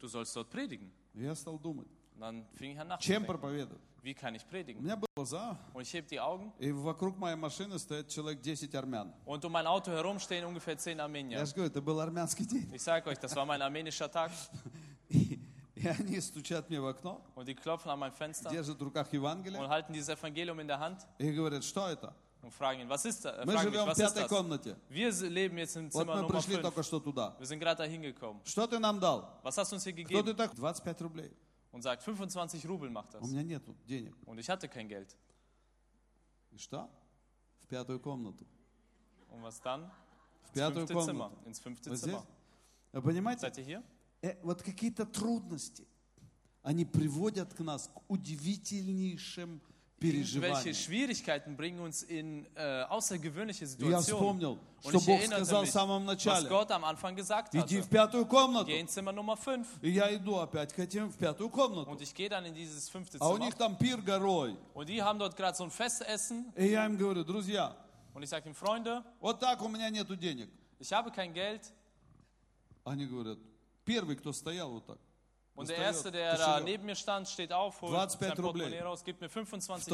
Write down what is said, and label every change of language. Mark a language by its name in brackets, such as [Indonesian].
[German] Du sollst dort predigen. [Russian] И я стал думать. [German] Und dann fing ich an nachzudenken. [Russian] Чем проповедовать? [German] Wie kann ich predigen? [Russian] У меня были глаза. [German] Und ich heb die Augen. [Russian] И вокруг моей машины стоят человек 10 армян. [German] Und um mein Auto herum stehen ungefähr 10 Armenier. [Russian] Я же говорю, это был армянский день. [German] Ich sag euch, das war mein armenischer Tag. [Russian] И они стучат мне в окно. [German] Und die klopfen an mein Fenster. [Russian] Держат в руках Евангелие. [German] Und halten dieses Evangelium in der Hand. [Russian] И говорят, что это? [German] Und fragen ihn, was ist da? [Russian] Мы живем [German] mich, [Russian] в пятой комнате. [German] Wir leben jetzt im Zimmer [Russian] вот мы пришли только что туда. [German] Wir sind gerade dahin gekommen. [Russian] Что ты нам дал? [German] Was hast du uns hier gegeben? [Russian] 25 рублей. [German] Und sagt, 25 Rubel macht das. [Russian] У меня нет денег. [German] Und ich hatte kein Geld. [Russian] И что? В пятую комнату. [German] Und was dann? [Russian] В пятую комнату. [German] Ins fünfte Zimmer. [Russian] Вы понимаете? [German] Seid ihr hier? [Russian] Вот какие-то трудности, они приводят к нас к удивительнейшим [German] Welche Schwierigkeiten bringen uns in außergewöhnliche Situationen? [Russian] Вспомнил, [German] und ich [Russian] Бог [German] erinnerte mich, [Russian] самом начале, [German] was Gott am Anfang gesagt hat. Geh in Zimmer Nummer 5. [Russian] Иду опять к этим в пятую комнату. [German] Und ich gehe dann in dieses fünfte [Russian] Zimmer. А у них там пир горой. [German] Und die haben dort gerade so ein Festessen. [Russian] И я им говорю, друзья. [German] Und ich sage ihm, Freunde. [Russian] Вот так у меня нету денег. [German] Ich habe kein Geld. [Russian] Они говорят, первый, кто стоял вот так. [German] Und der Erste, der da neben mir stand, steht auf, holt sein Portemonnaie raus, gibt mir 25